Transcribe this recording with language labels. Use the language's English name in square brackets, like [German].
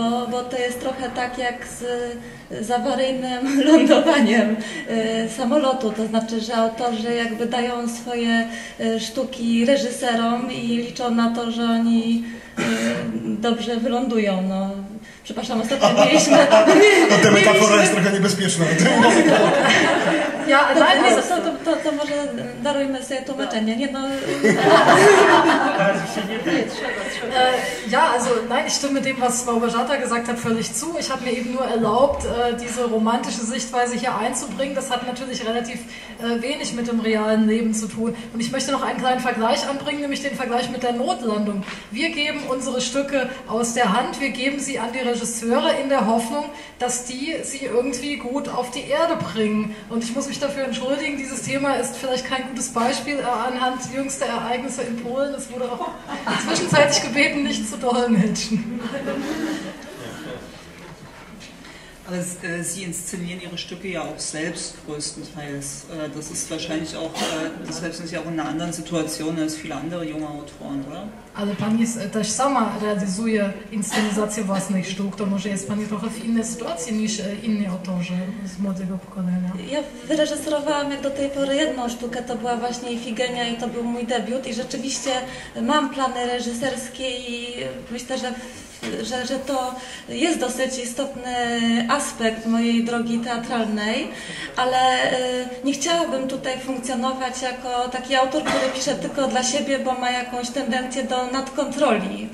[Polish] Bo to jest trochę tak jak z awaryjnym lądowaniem samolotu, to znaczy, że autorzy jakby dają swoje sztuki reżyserom i liczą na to, że oni dobrze wylądują. No. Przepraszam, ostatnio mieliśmy... No ta metafora jest trochę niebezpieczna. Ja, to może darujmy sobie tłumaczenie. Nie, no. [German] Ja, also nein, ich stimme dem, was Frau Bajata gesagt hat, völlig zu. Ich habe mir eben nur erlaubt, diese romantische Sichtweise hier einzubringen. Das hat natürlich relativ wenig mit dem realen Leben zu tun. Und ich möchte noch einen kleinen Vergleich anbringen, nämlich den Vergleich mit der Notlandung. Wir geben unsere Stücke aus der Hand, wir geben sie an die Regisseure in der Hoffnung, dass die sie irgendwie gut auf die Erde bringen. Und ich muss mich dafür entschuldigen, dieses Thema ist vielleicht kein gutes Beispiel anhand jüngster Ereignisse in Polen. Es wurde auch zwischenzeitlich gebeten, nicht zu dolmetschen. Aber Sie inszenieren Ihre Stücke ja auch selbst größtenteils. Das ist wahrscheinlich auch, deshalb sind Sie auch in einer anderen Situation als viele andere junge Autoren, oder? [Polish] Ale pani też sama realizuje inscenizację własnych sztuk, to może jest pani trochę w innej sytuacji niż inni autorzy z młodego pokolenia. Ja wyreżyserowałam jak do tej pory jedną sztukę, to była właśnie Ifigenia i to był mój debiut i rzeczywiście mam plany reżyserskie i myślę, że to jest dosyć istotny aspekt mojej drogi teatralnej, ale nie chciałabym tutaj funkcjonować jako taki autor, który pisze tylko dla siebie, bo ma jakąś tendencję do nadkontroli.